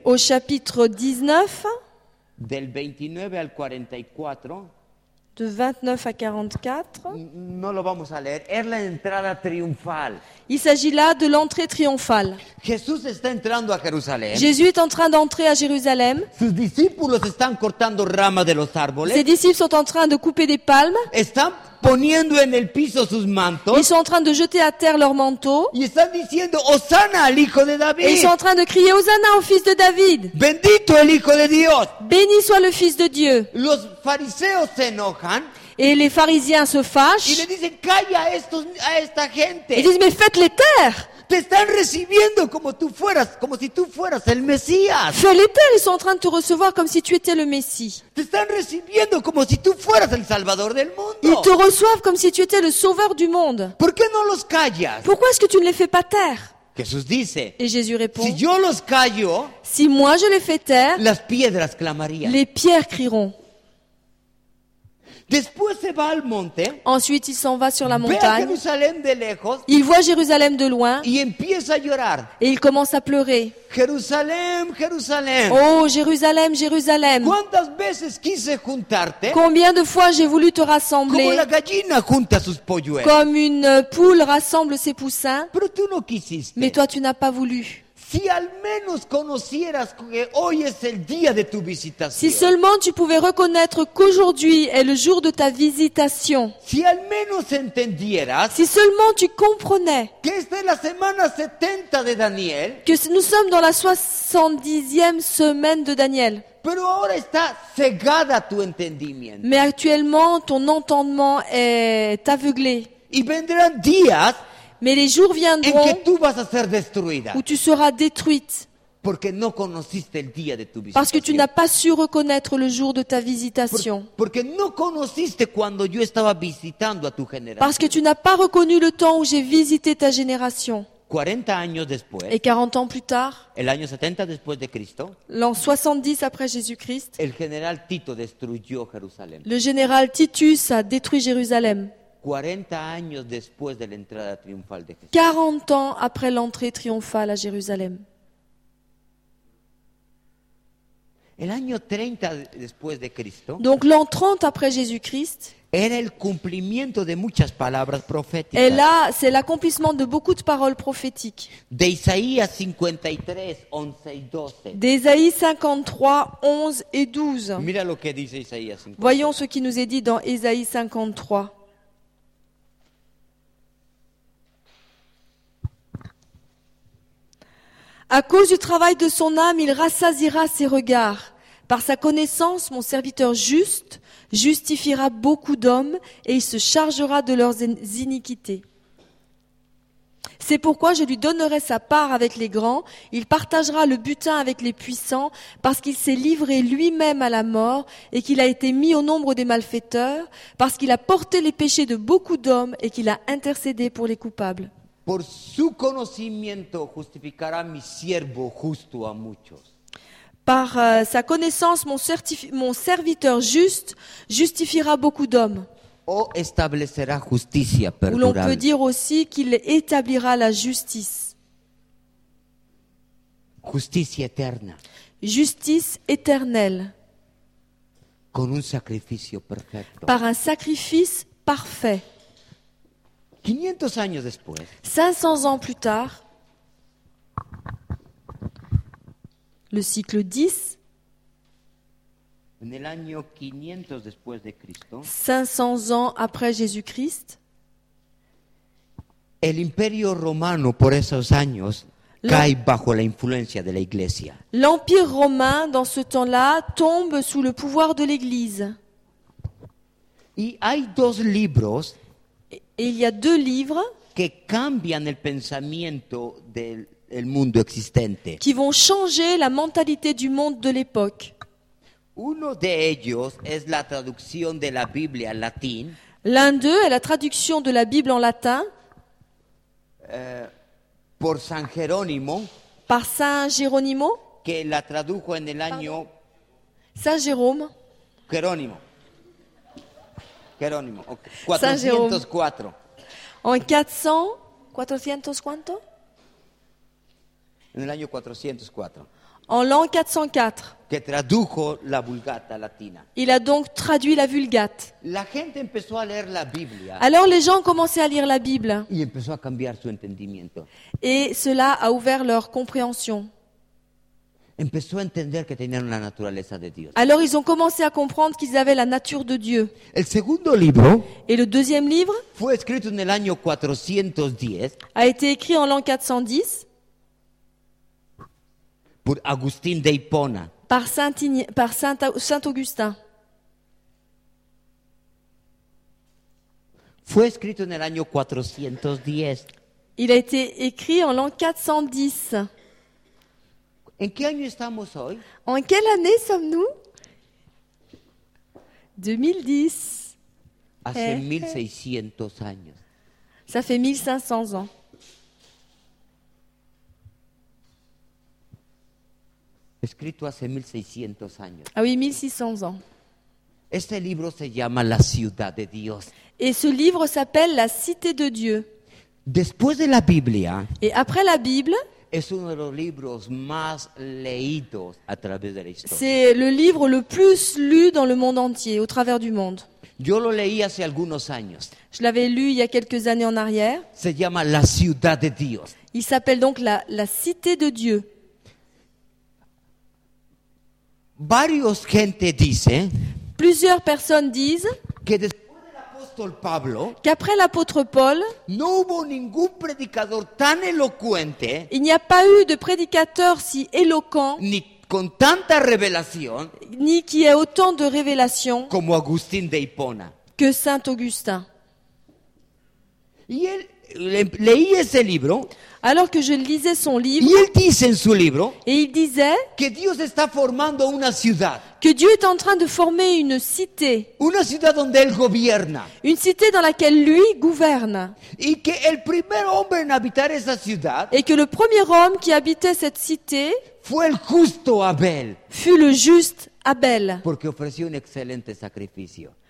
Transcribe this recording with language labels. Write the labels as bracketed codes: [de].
[fr] Au chapitre 19. [es] Del 29 al 44. [fr] De 29 à 44. [es] No lo vamos a leer. Es la entrada triunfal. [fr] Il s'agit là de l'entrée triomphale. [es] Jesús está entrando a Jerusalén. [fr] Jésus est en train d'entrer à Jérusalem. [es] Sus discípulos están cortando ramas de los árboles. [fr] Ses disciples sont en train de couper des palmes. [es] Están poniendo en el piso sus mantos. [fr] Ils sont en train de jeter à terre leurs manteaux. [es] Y están diciendo, Hosanna al hijo de David. [fr] Et ils sont en train de crier Hosanna au fils de David. [es] Bendito el hijo de Dios. [fr] Béni soit le fils de Dieu. [es] Los fariseos se enojan. [fr] Et les pharisiens se fâchent. [es] Y le dicen, calla estos, a esta gente. [fr] Ils disent, mais faites-les taire. [es] Te están recibiendo como tú fueras, como si tú fueras el Mesías. [fr] Fais-les taire, ils sont en train de te recevoir comme si tu étais le Messie. [es] Te están recibiendo como si tú fueras el Salvador del mundo. [fr] Ils te reçoivent comme si tu étais le Sauveur du monde. [es] ¿Por qué no los callas? [fr] Pourquoi est-ce que tu ne les fais pas taire? [es] Jesús dice. [fr] Et Jésus répond. [es] Si yo los callo, [fr] si moi je les fais taire, [es] las piedras clamarían. [fr] Les pierres crieront. [es] Después se va al monte. [fr] Ensuite, il s'en va sur la montagne. [es] Ve a Jerusalén de lejos. [fr] Il voit Jérusalem de loin. [es] Y empieza a llorar. [fr] Et il commence à pleurer. [es] Jerusalem, Jerusalem. [fr] Oh, Jérusalem, Jérusalem. [es] ¿Cuántas veces quise juntarte? [fr] Combien de fois j'ai voulu te rassembler? [es] Como la gallina junta sus polluelos. [fr] Comme une poule rassemble ses poussins. [es] Pero tú no quisiste. [fr] Mais toi, tu n'as pas voulu. [es] Si al menos conocieras que hoy es el día de tu visitación. [fr] Si seulement tu pouvais reconnaître qu'aujourd'hui est le jour de ta visitation. [es] Si al menos entendieras. [fr] Si seulement tu comprenais. [es] Que esta es la semana 70 de Daniel. [fr] Que nous sommes dans la 70e semaine de Daniel. [es] Pero ahora está cegada tu entendimiento. [fr] Mais actuellement ton entendement est aveuglé. [es] Y vendrán días. [fr] Mais les jours viendront [es] que tú vas a ser destruida, [fr] où tu seras détruite [es] porque no conociste el día de tu visitación. [fr] Parce que tu n'as pas su reconnaître le jour de ta visitation. [es] Porque no conociste cuando yo estaba visitando a tu generación. [fr] Parce que tu n'as pas reconnu le temps où j'ai visité ta génération. [es] 40 años después, [fr] et 40 ans plus tard, [es] el año 70 después de Cristo, [fr] l'an 70 après Jésus-Christ, [es] el general Tito destruyó Jerusalén. [fr] Le général Titus a détruit Jérusalem. [es] 40 años después de la entrada triunfal de Jesús. [fr] 40 ans après l'entrée triomphale à Jérusalem. [es] El año 30 después de Cristo. [fr] Donc l'an 30 après Jésus-Christ. [es] Era el cumplimiento de muchas palabras proféticas. [fr] Et là, c'est l'accomplissement de beaucoup de paroles prophétiques. [es] De Isaías 53, 11 y 12. [fr] D'Ésaïe 53, 11 et 12. [es] Mira lo que dice Isaías 53. [fr] Voyons ce qui nous est dit dans Ésaïe 53. À cause du travail de son âme, il rassasiera ses regards. Par sa connaissance, mon serviteur juste justifiera beaucoup d'hommes et il se chargera de leurs iniquités. C'est pourquoi je lui donnerai sa part avec les grands, il partagera le butin avec les puissants, parce qu'il s'est livré lui-même à la mort et qu'il a été mis au nombre des malfaiteurs, parce qu'il a porté les péchés de beaucoup d'hommes et qu'il a intercédé pour les coupables. [es] Por su conocimiento justificará mi siervo justo a muchos. [fr] Par sa connaissance, mon serviteur juste justifiera beaucoup d'hommes. [es] O establecerá justicia perdurable. [fr] Ou l'on peut dire aussi qu'il établira la justice. [es] Justicia eterna. [fr] Justice éternelle. [es] Con un sacrificio perfecto. [fr] Par un sacrifice parfait. [es] 500 años después. [fr] 500 ans plus tard. Le cycle 10. [es] En el año 500 después de Cristo. [fr] 500 ans après Jésus-Christ. [es] El imperio romano por esos años cae bajo la influencia de la iglesia. [fr] L'Empire romain dans ce temps-là tombe sous le pouvoir de l'Église. [es] Y hay dos libros. [fr] Et il y a deux livres [es] que cambian el pensamiento del mundo existente. [fr] Qui vont changer la mentalité du monde de l'époque. [es] Uno de ellos es la traducción de la Biblia en latín. [fr] L'un d'eux est la traduction de la Bible en latin. [es] Por San Jerónimo. [fr] Par Saint Jerónimo. [es] Que la tradujo en el año. [fr] Saint Jérôme. [es] Jerónimo. Jerónimo, okay. 404. En 400, 400 cuánto? En el año 404. [fr] En l'an 404. [es] Que tradujo la Vulgata latina. [fr] Il a donc traduit la Vulgate. [es] La gente empezó a leer la Biblia. [fr] Alors les gens commençaient à lire la Bible. [es] Y empezó a cambiar su entendimiento. [fr] Et cela a ouvert leur compréhension. [es] Empezó a entender que tenían la naturaleza de Dios. [fr] Alors ils ont commencé à comprendre qu'ils avaient la nature de Dieu. [es] El segundo libro. [fr] Et le deuxième livre. [es] Fue escrito en el año 410. [fr] A été écrit en l'an 410. [es] Por Agustín de Hipona. [fr] Par Saint Augustin. [es] Fue escrito en el año 410. [fr] Il a été écrit en l'an 410. [es] ¿En qué año estamos hoy? [fr] En quelle année sommes-nous? [es] 2010. Hace 1600 años. [fr] Ça fait 1500 ans. [es] Escrito hace 1600 años. [fr] Ah oui, 1600 ans. [es] Este libro se llama La Ciudad de Dios. [fr] Et ce livre s'appelle La Cité de Dieu. [es] Después de la Biblia. [fr] Et après la Bible. [es] Es uno de los libros más leídos a través de la historia. [fr] C'est le livre le plus lu dans le monde entier, au travers du monde. [es] Yo lo leí hace algunos años. [fr] Je l'avais lu il y a quelques années en arrière. [es] Se llama La Ciudad de Dios. [fr] Il s'appelle donc la Cité de Dieu. [es] Varios gente dice. [fr] Plusieurs personnes disent. [es] Que después del apóstol Pablo. [fr] Qu'après l'apôtre Paul. [es] No hubo ningún predicador tan elocuente. [fr] Il n'y a pas eu de prédicateur si éloquent. [es] Ni con tanta revelación. [fr] Ni qui ait autant de révélation. [es] Como Agustín de Hipona. [fr] Que Saint Augustin. [es] Y él leí ese libro. [fr] Alors que je lisais son livre, [es] y él dice en su libro, [fr] et il disait [es] que Dios está formando una ciudad, [fr] que Dieu est en train de former une cité, [es] una ciudad donde él gobierna, [fr] une cité dans laquelle lui gouverne, [es] y que el primer hombre en habitar esa ciudad, [fr] et que le premier homme qui habitait cette cité [es] fue el justo Abel, [fr] fut le juste Abel, [es] porque ofreció un excelente sacrificio.